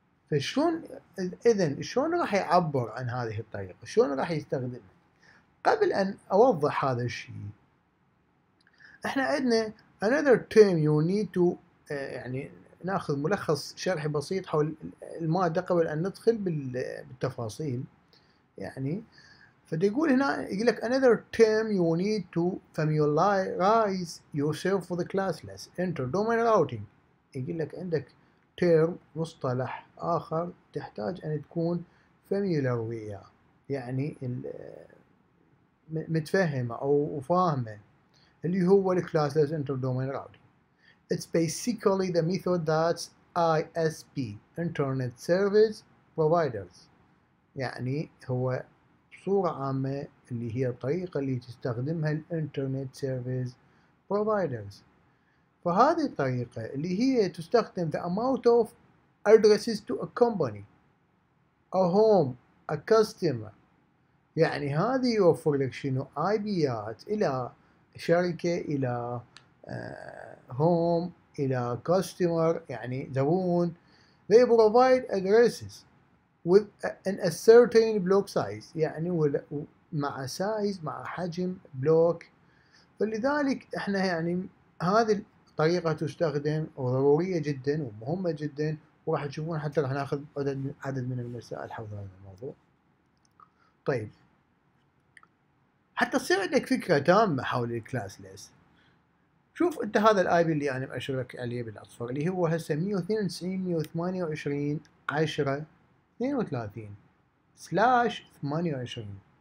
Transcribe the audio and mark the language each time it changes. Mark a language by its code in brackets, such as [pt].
[ar] فشلون اذن شلون راح يعبر عن هذه الطريقة، شلون راح يستخدمها؟ قبل ان اوضح هذا الشيء، احنا عندنا [en] another term you need to [ar] يعني ناخذ ملخص شرحي بسيط حول المادة قبل أن ندخل بالتفاصيل. يعني فدي يقول هنا، يقول لك [en] another term you need to familiarize yourself with the classless inter-domain routing. [ar] يقول لك عندك term، مصطلح آخر تحتاج أن تكون familiar وياه، يعني متفهمة أو فاهمة، اللي هو الـ classless inter-domain routing. [en] It's basically the method that ISP, Internet Service Providers. [ar] يعني هو بصورة عامة اللي هي الطريقة اللي تستخدمها الـ Internet Service Providers. فهذه الطريقة اللي هي تستخدم [en] the amount of addresses to a company, a home, a customer. [ar] يعني هذه يوفر لك شنو؟ IPs إلى شركة، إلى هوم، الى كاستمر يعني زبون. [en] they provide addresses with an a certain block size، [ar] يعني مع سايز، مع حجم بلوك. فلذلك احنا يعني هذه الطريقة تستخدم وضرورية جدا ومهمة جدا، وراح تشوفون حتى راح ناخذ عدد من المسائل حول هذا الموضوع. طيب حتى تصير عندك فكرة تامة حول الكلاسلس، شوف انت هذا الاي بي اللي انا باشر لك عليه بالاصفر، اللي هو هسه 192 128 10 32 سلاش 28.